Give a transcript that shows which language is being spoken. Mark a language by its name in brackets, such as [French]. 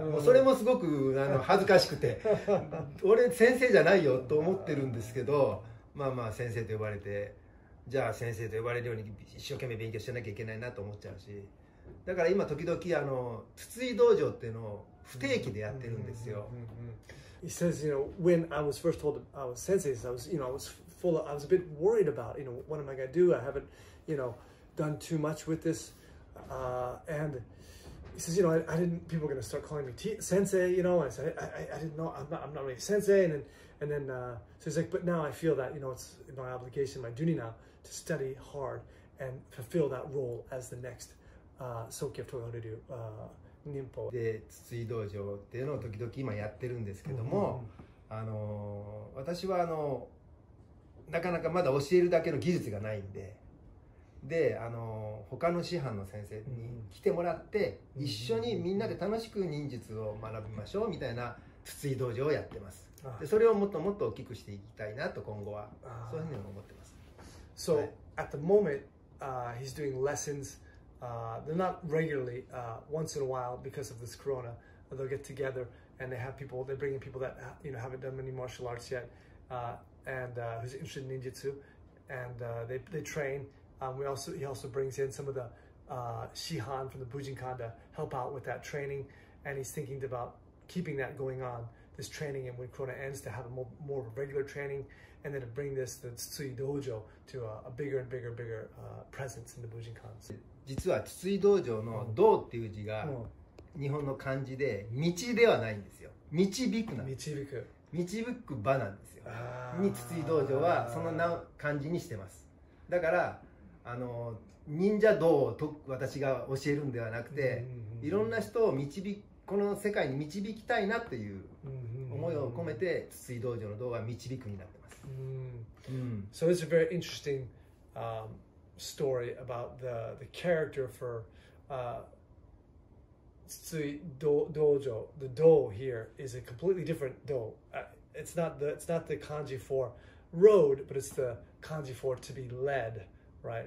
[Japanese] もうそれもすごく恥ずかしくて、俺、先生じゃないよと思ってるんですけど、まあまあ、先生と呼ばれて、じゃあ先生と呼ばれるように一生懸命勉強しなきゃいけないなと思っちゃうし、だから今、時々、筒井道場っていうのを不定期でやってるんですよ。 [English] He says, you know, when I was first told I was Sensei, I was a bit worried about, you know, what am I going to do? I haven't, you know, done too much with this. And he says, you know, people were going to start calling me Sensei, you know, and I said, I didn't know, I'm not really Sensei. And then, so he's like, but now I feel that, you know, it's my obligation, my duty now to study hard and fulfill that role as the next Soke of Togaku Ryu. [Japanese] で筒井道場っていうのを時々今やってるんですけども、うん、私はなかなかまだ教えるだけの技術がないんで、で他の師範の先生に来てもらって、うん、一緒にみんなで楽しく忍術を学びましょうみたいな筒井道場をやってます。でそれをもっともっと大きくしていきたいなと今後はそういうふうに思ってます。 [English] So、はい、at the moment、he's doing lessonsthey're not regularly, once in a while, because of this corona, they'll get together and they have people, they're bringing people that, you know, haven't done many martial arts yet, and who's interested in ninjutsu, and they train. He also brings in some of the Shihan from the Bujinkan to help out with that training, and he's thinking about keeping that going on, this training, and when Corona ends, to have a more of a regular training, and then to bring this, the Tsutsui Dojo, to a bigger and bigger, bigger presence in the Bujinkan. [Japanese] 実は Tsutsui Dojo の道っていう字が日本の漢字で道ではないんですよ。導くなんです。導く場なんですよ。に Tsutsui Dojo はその漢字にしてます。だから、あの忍者道を私が教えるんではなくて、いろんな人を導く、この世界に導きたいなという思いを込めて、Tsutsui Dojo の道は導くになってます。 [English] So it's a very interesting, story about the character for Tsutsui Dojo. The Do here is a completely different Do. It's not the kanji for road, but it's the kanji for to be led, right?